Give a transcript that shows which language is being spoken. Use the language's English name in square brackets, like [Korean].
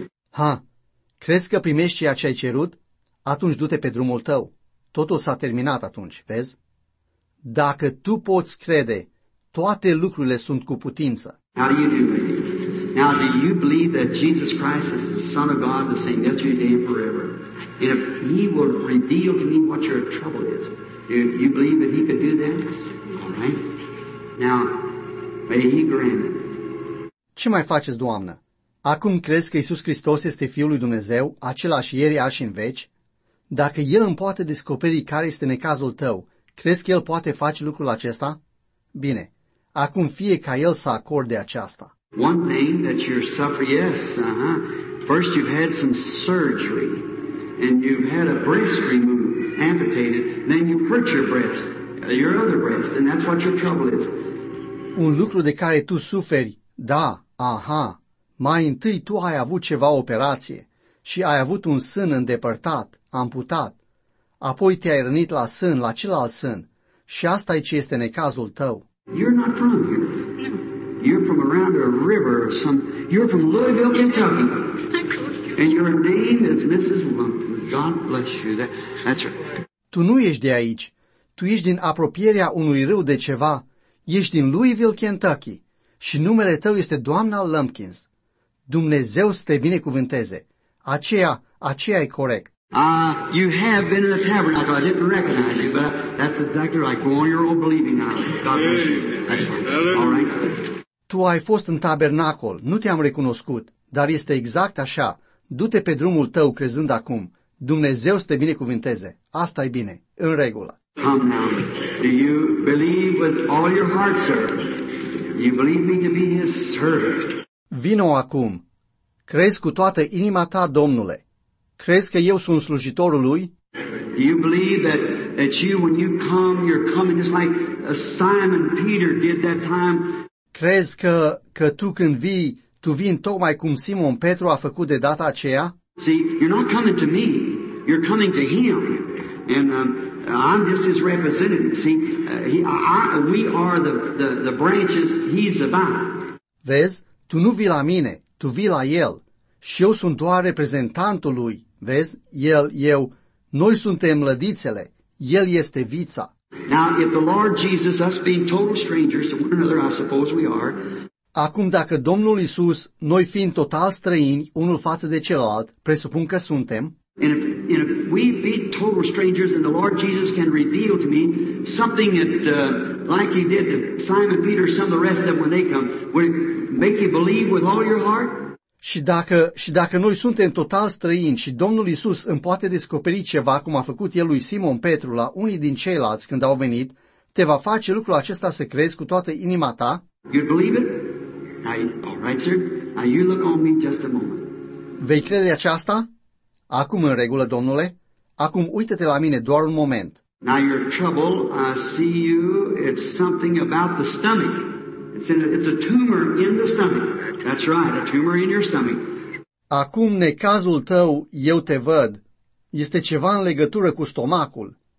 [Romanian] Ha, crezi că primești ceea ce ai cerut? Atunci du-te pe drumul tău. Totul s-a terminat atunci, vezi? Dacă tu poți crede, toate lucrurile sunt cu putință. [English] How do you do it? Now, do you believe that Jesus Christ is the Son of God, the same yesterday and forever? And if he will reveal to me what your trouble is, do you believe that he could do that? All right. Now, may he grant it. [Romanian] Ce mai faceți, Doamnă? Acum crezi că Iisus Hristos este Fiul lui Dumnezeu, același ieri, azi și în veci? Dacă El îmi poate descoperi care este necazul tău, crezi că El poate face lucrul acesta? Bine, acum fie ca El să acorde aceasta. [English] One thing that you're suffering, yes, First you've had some surgery, and you've had a breast removed, amputated, then you hurt your other breast, and that's what your trouble is. [Romanian] Un lucru de care tu suferi, da, aha, mai întâi tu ai avut ceva operație și ai avut un sân îndepărtat, amputat, apoi te-ai rănit la sân, la celălalt sân, și asta e ce este necazul tău. [English] You're not from here. You're from around a river or some. You're from Louisville, Kentucky. And your name is Mrs. Lumpkin. God bless you. That's right. [Romanian] Tu nu ești de aici. Tu ești din apropierea unui râu de ceva. Ești din Louisville, Kentucky. Și numele tău este doamna Lumpkins. Dumnezeu să te binecuvânteze. Aceea e corect. [English] You have been in the tabernacle. I didn't recognize you, but that's exactly right. Go on your own believing now. God bless you. That's right. All right. [Romanian] Tu ai fost în tabernacol. Nu te-am recunoscut, dar este exact așa. Du-te pe drumul tău crezând acum. Dumnezeu să te binecuvânteze. Asta e bine. În regulă. [English] Come now. Do you believe with all your heart, sir? You believe me to be his servant. [Romanian] Vino acum. Crezi cu toată inima ta, Domnule. Crezi că eu sunt slujitorul lui? [English] You believe that you, when you come, you're coming just like Simon Peter did that time. [Romanian] Crezi că tu când vii, tu vii tocmai cum Simon Petru a făcut de data aceea? [English] See, you're not coming to me. You're coming to him. And I'm just his representative. See, we are the branches. He's the vine. [Romanian] Vezi, tu nu vii la mine, tu vii la el. Și eu sunt doar reprezentantul lui. Vezi, el, eu, noi suntem lădițele. El este vița. [English] Now, if the Lord Jesus, us being total strangers to one another, I suppose we are. [Romanian] Acum, dacă Domnul Iisus, noi fiind total străini, unul față de celălalt, presupun că suntem. [English] And if we be total strangers and the Lord Jesus can reveal to me something that, like he did to Simon Peter, some of the rest of them when they come, would it make you believe with all your heart? [Romanian] Și dacă noi suntem total străini și Domnul Iisus îmi poate descoperi ceva cum a făcut el lui Simon Petru la unii din ceilalți când au venit, te va face lucrul acesta să crezi cu toată inima ta? [English] You'd believe it? All right, sir. Now you look on me just a moment. [Romanian] Vei crede aceasta? Acum în regulă, domnule. Acum uită-te la mine doar un moment. [English] Now your trouble, I see you, it's something about the stomach. It's a tumor in the stomach. That's right, a tumor in your stomach. [Romanian] Acum, necazul tău, eu te văd. Este ceva în legătură cu stomacul.